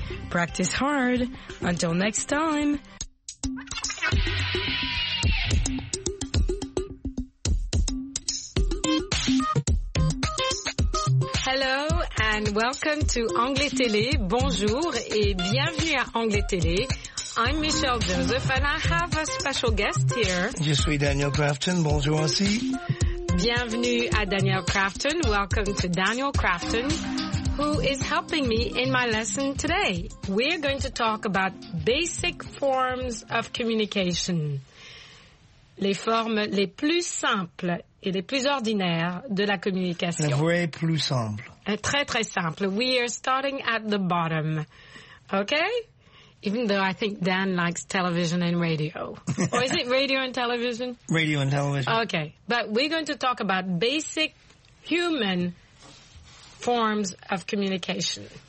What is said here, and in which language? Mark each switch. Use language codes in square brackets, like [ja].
[en] Practice hard. Until next time. Hello and welcome to Anglais Télé. [fr] Bonjour et bienvenue à Anglais Télé. [en] I'm Michelle Joseph and I have a special guest here. [fr] Je suis Daniel Crafton. Bonjour aussi. Bienvenue à Daniel Crafton. [en] Welcome to Daniel Crafton, who is helping me in my lesson today. We're going to talk about basic forms of communication. [fr] Les formes les plus simples et les plus ordinaires de la communication. Les vraies plus simples. Très, très simple. [en] We are starting at the bottom. Okay? Even though I think Dan likes television and radio. Or is it radio and television? Radio and television. Okay. But we're going to talk about basic human forms of communication.